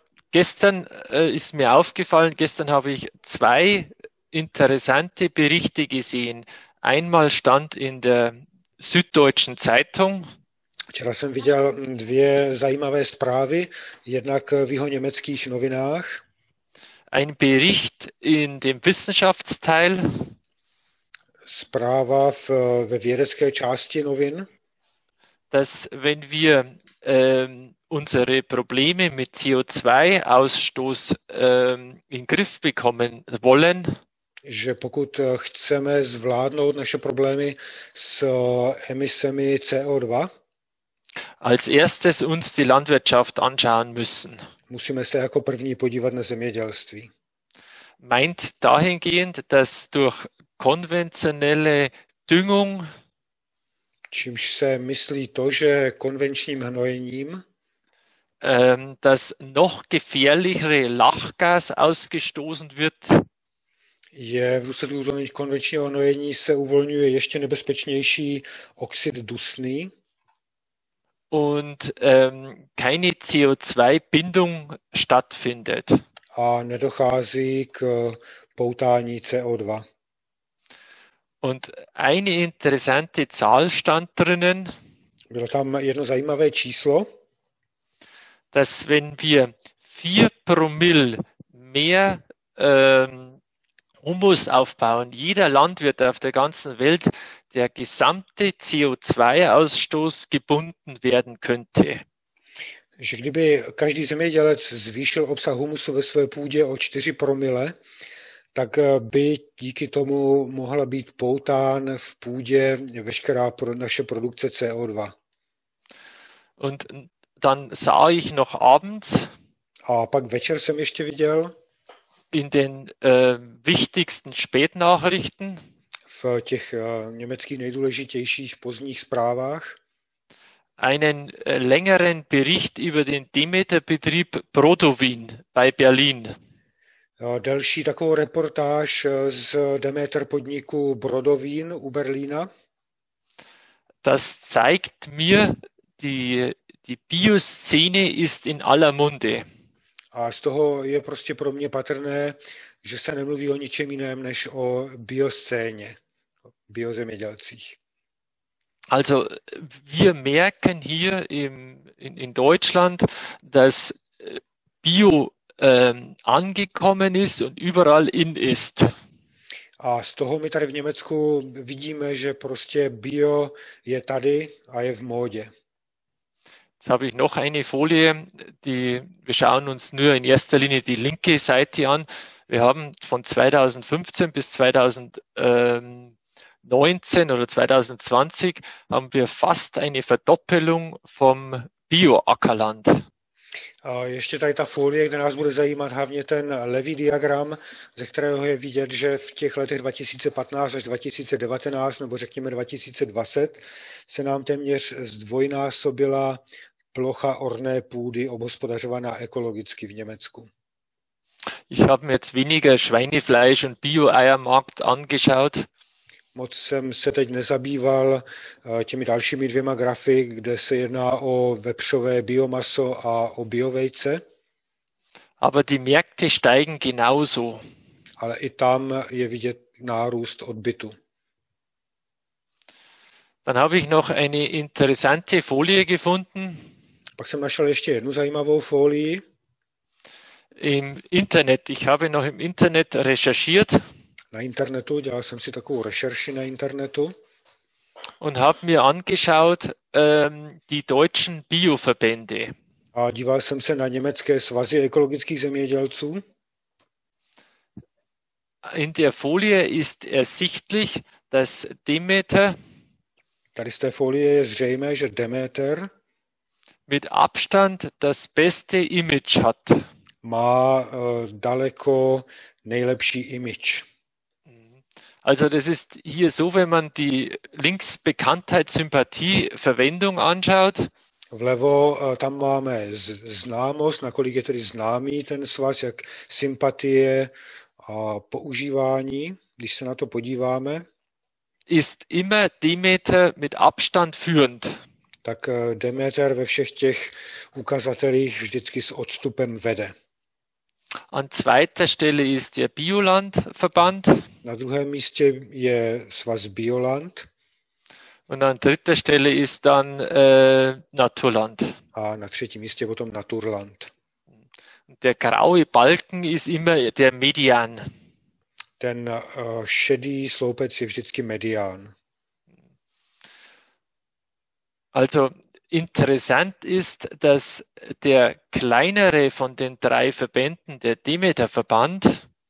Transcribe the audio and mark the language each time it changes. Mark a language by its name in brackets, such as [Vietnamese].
[German] Gestern habe ich zwei interessante Berichte gesehen. Einmal stand in der Süddeutschen Zeitung. [Czech] Včera jsem viděl dvě zajímavé zprávy, jednak v jeho německých novinách. [German] Ein Bericht in dem Wissenschaftsteil. [Czech] Zpráva ve vědecké části novin. [German] Dass wenn wir unsere Probleme mit CO2-Ausstoß in Griff bekommen wollen. [Czech] Že pokud chceme zvládnout naše problémy s emisemi CO2, [German] als erstes uns die Landwirtschaft anschauen müssen. [Czech] Musíme se jako první podívat na zemědělství. [German] Meint dahingehend, dass durch konventionelle Düngung, [Czech] čímž se myslí to, že konvenčním hnojením, [German] dass noch gefährlichere Lachgas ausgestoßen wird. [Czech] Je v důsledku konvenčního hnojení se uvolňuje ještě nebezpečnější oxid dusný. [German] Und keine CO2-Bindung stattfindet. [Czech] A nedochází k poutání CO2. [German] Und eine interessante Zahl stand drinnen. [Czech] Bylo tam jedno zajímavé číslo. [German] Dass wenn wir 4 Promille mehr Humus aufbauen, jeder Landwirt auf der ganzen Welt, der gesamte CO2-Ausstoß gebunden werden könnte. [Czech] Že kdyby každý zemědělec zvýšil obsah humusu ve své půdě o 4 promile, tak by díky tomu mohla být poután v půdě veškerá naše produkce CO2. [German] Und dann sah ich noch abends, [Czech] a pak večer jsem ještě viděl [German] in den wichtigsten Spätnachrichten, [Czech] v těch německých nejdůležitějších pozdních zprávách, [German] einen längeren Bericht über den Demeter-Betrieb Brodowin bei Berlin. [Czech] Další takovou reportáž z Demeter-podniku Brodowin u Berlína. [German] Das zeigt mir, die Bioszene ist in aller Munde. [Czech] A z toho je prostě pro mě patrné, že se nemluví o ničem jiném než o bioscéně, o biozemědělcích. [German] Also wir merken hier in Deutschland, dass Bio angekommen ist und überall in ist. [Czech] A z toho my tady v Německu vidíme, že prostě bio je tady a je v módě. [German] Jetzt habe ich noch eine Folie, die wir schauen uns nur in erster Linie die linke Seite an. Wir haben von 2015 bis 2019 oder 2020 haben wir fast eine Verdoppelung vom Bio-Ackerland. [Czech] Ještě tady ta folie, kde nás bude zajímat hlavně ten levý diagram, ze kterého je vidět, že v těch letech 2015 až 2019, nebo řekněme 2020, se nám téměř zdvojnásobila plocha orné půdy obhospodařovaná ekologicky v Německu. [German] Ich habe mir jetzt weniger Schweinefleisch und Bio-Eiermarkt angeschaut. [Czech] Moc jsem se teď nezabýval těmi dalšími dvěma grafy, kde se jedná o vepřové biomaso a o biovejce. [German] Aber die Märkte steigen genauso. [Czech] Ale i tam je vidět nárůst odbytu. [German] Dann habe ich noch eine interessante Folie gefunden. [Czech] Pak jsem našel ještě jednu zajímavou folii. [German] Im Internet, ich habe noch im Internet recherchiert. [Czech] Na internetu, dělal jsem si takovou rešerši na internetu. [German] Und habe mir angeschaut die deutschen Bioverbände. [Czech] A díval jsem se na německé svazy ekologických zemědělců. [German] In der Folie ist ersichtlich, dass Demeter. [Czech] Tady z té folie je zřejmé, že Demeter [German] mit Abstand das beste Image hat. [Czech] Má daleko nejlepší image. [German] Also das ist hier so, wenn man die Linksbekanntheit-Sympathie-Verwendung anschaut. [Czech] Vlevo tam máme známost, nakolik je tedy známý ten svaz, jak sympatie a používání, když se na to podíváme. [German] Ist immer Demeter mit Abstand führend. [Czech] Tak Demeter ve všech těch ukazatelích vždycky s odstupem vede. [German] An zweiter Stelle ist der Biolandverband. [Czech] Na druhém místě je svaz Bioland. [German] Und an dritter Stelle ist dann Naturland. [Czech] A na třetím místě potom Naturland. [German] Der graue Balken ist immer der Median. [Czech] Ten šedý sloupec je vždycky Median. [German] Also interessant ist, dass der kleinere von den drei Verbänden, der Demeter-Verband,